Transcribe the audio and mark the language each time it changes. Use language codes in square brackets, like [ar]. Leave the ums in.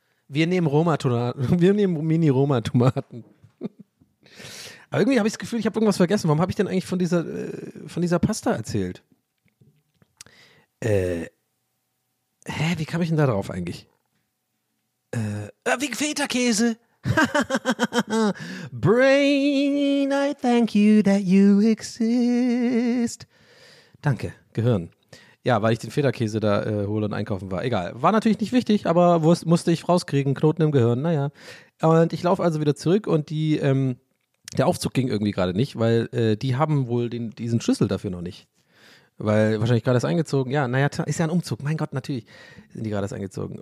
[de] Wir nehmen Roma-Tomaten, wir nehmen Mini-Roma-Tomaten. Aber irgendwie habe ich das Gefühl, ich habe irgendwas vergessen. Warum habe ich denn eigentlich von dieser, äh, von dieser Pasta erzählt? Äh, hä, wie kam ich denn da drauf eigentlich? Äh, äh, wie Feta-Käse. [en] Brain, I thank you that you exist. [de] Danke, Gehirn. Ja, weil ich den Federkäse da äh, hole und einkaufen war. Egal. War natürlich nicht wichtig, aber wus- musste ich rauskriegen. Knoten im Gehirn, naja. Und ich laufe also wieder zurück und die, ähm, der Aufzug ging irgendwie gerade nicht, weil äh, die haben wohl den, diesen Schlüssel dafür noch nicht. Weil wahrscheinlich gerade erst eingezogen. Ja, naja, ta- ist ja ein Umzug. Mein Gott, natürlich sind die gerade erst eingezogen.